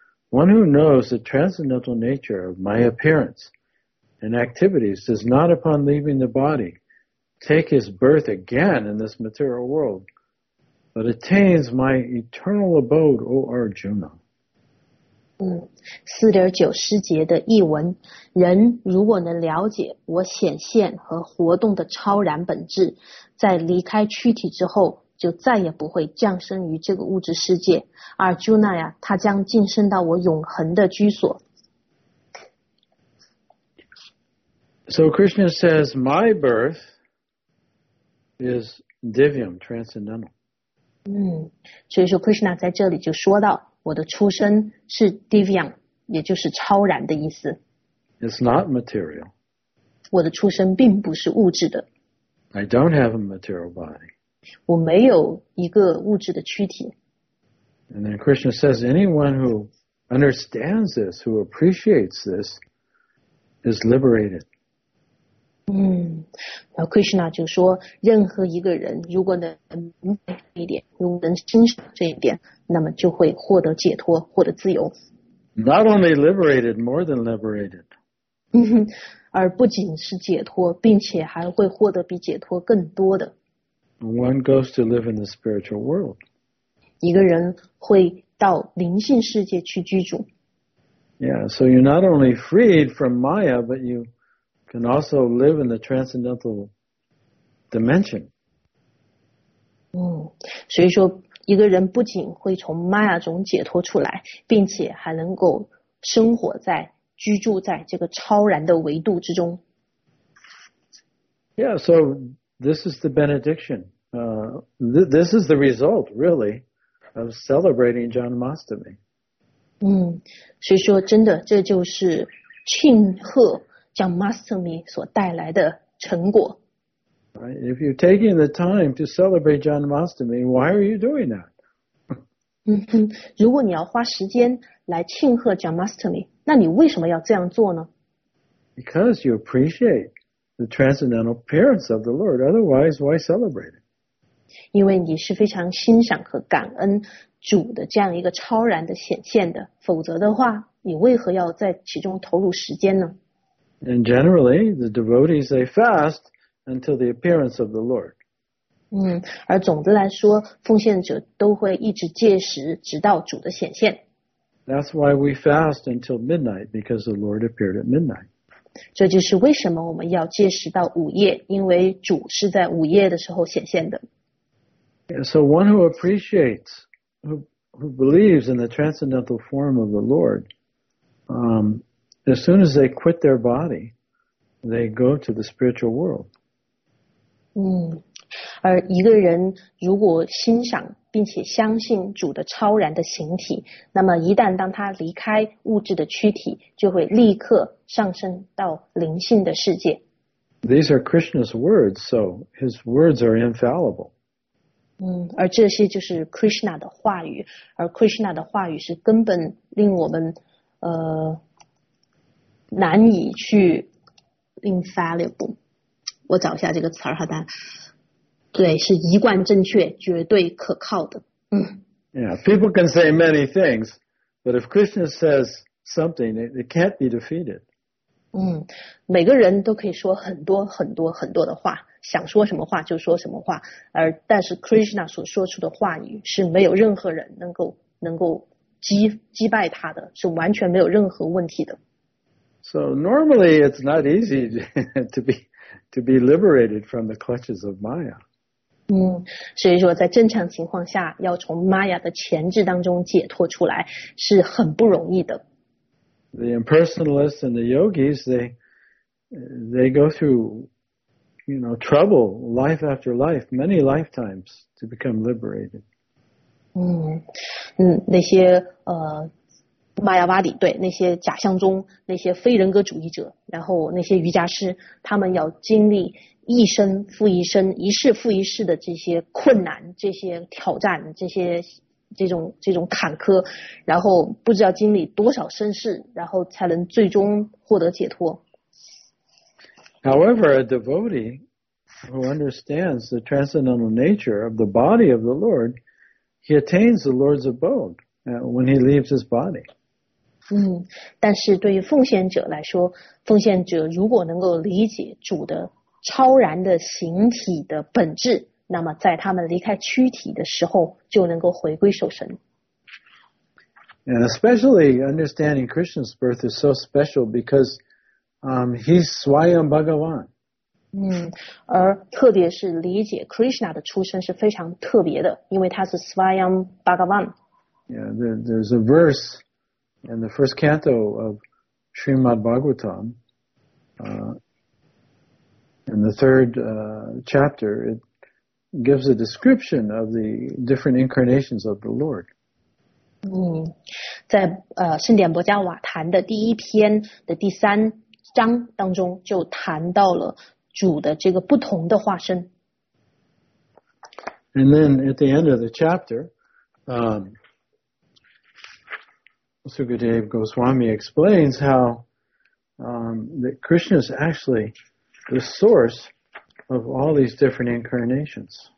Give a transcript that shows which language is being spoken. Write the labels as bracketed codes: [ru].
[en] One who knows the transcendental nature of my appearance and activities does not, upon leaving the body, take his birth again in this material world, but attains my eternal abode, O Arjuna. [zh] 4.9 诗节的译文，人如果能了解我显现和活动的超然本质，在离开躯体之后就再也不会降生于这个物质世界，而朱娜呀，他将晋升到我永恒的居所。 [en] So Krishna says, my birth is divyam, transcendental. [zh] 所以说 Krishna 在这里就说到，我的出生是 divyam， 也就是超然的意思。 [en] It's not material. [zh] 我的出生并不是物质的。 [en] I don't have a material body. [zh] 我没有一个物质的躯体。 [en] And then Krishna says, anyone who understands this, who appreciates this, is liberated. [zh] 嗯，然后 Krishna 就说，任何一个人如果能明白这一点，如果能欣赏这一点，那么就会获得解脱，获得自由。 [en] Not only liberated, more than liberated. [zh] 而不仅是解脱，并且还会获得比解脱更多的。 [en] One goes to live in the spiritual world. [zh] 一个人会到灵性世界去居住。 [en] Yeah, so you're not only freed from Maya, but you can also live in the transcendental dimension. [zh] 所以说一个人不仅会从 Maya 中解脱出来，并且还能够生活在居住在这个超然的维度之中。 [en] Yeah, so this is the benediction. This is the result, really, of celebrating Janmashtami. [zh] 所以说真的这就是庆贺Janmashtami 所带来的成果。 [en] Right. If you're taking the time to celebrate Janmashtami, why are you doing that? [zh] 如果你要花时间来庆贺 Janmashtami, 那你为什么要这样做呢？ [en] Because you appreciate the transcendental appearance of the Lord. Otherwise, why celebrate it? [zh] 因为你是非常欣赏和感恩主的这样一个超然的显现的，否则的话，你为何要在其中投入时间呢？ [en] And generally, the devotees, they fast until the appearance of the Lord. [zh] 而总的来说，奉献者都会一直戒食，直到主的显现。 [en] That's why we fast until midnight, because the Lord appeared at midnight. [zh] 这就是为什么我们要戒食到午夜，因为主是在午夜的时候显现的。 [en] Yeah, so one who appreciates, who believes in the transcendental form of the Lord, as soon as they quit their body, they go to the spiritual world. [zh] 而一个人如果欣赏并且相信主的超然的形体，那么一旦当他离开物质的躯体，就会立刻上升到灵性的世界。 [en] These are Krishna's words, so his words are infallible. [zh] 而这些就是 Krishna 的话语，而 Krishna 的话语是根本令我们难以去 infallible。我找一下这个词儿哈，丹。对，是一贯正确，绝对可靠的。 [en] Yeah, people can say many things, but if Krishna says something, it can't be defeated. [zh] 每个人都可以说很多很多很多的话，想说什么话就说什么话，而但是 Krishna 所说出的话语是没有任何人能够击败他的，是完全没有任何问题的。 [en] So normally it's not easy to be liberated from the clutches of Maya. [zh] 所以说在正常情况下要从 Maya 的钳制当中解脱出来是很不容易的。 [en] The impersonalists and the yogis, they go through, you know, trouble life after life, many lifetimes to become liberated. [zh] 那些玛雅瓦底，对，那些假象中那些非人格主义者，然后那些瑜伽师，他们要经历一生复一生，一世复一世的这些困难，这些挑战，这种坎坷，然后不知道经历多少生世，然后才能最终获得解脱。 [en] However, a devotee who understands the transcendental nature of the body of the Lord, he attains the Lord's abode when he leaves his body. [zh] 但是对于奉献者来说，奉献者如果能够理解主的超然的形体的本质，那么在他们离开躯体的时候就能够回归守神。 [en] And especially understanding Krishna's birth is so special because he's Swayam Bhagavan. [zh] 而特别是理解 Krishna 的出生是非常特别的，因为他是 Swayam Bhagavan。 [en] Yeah, there's a verse in the first canto of Srimad Bhagavatam, in the third chapter, it gives a description of the different incarnations of the Lord. [zh] 在圣典薄伽瓦坛的第一篇的第三章当中就谈到了主的这个不同的化身。 [en] And then at the end of the chapter, Sukadeva Goswami explains how, that Krishna is actually the source of all these different incarnations.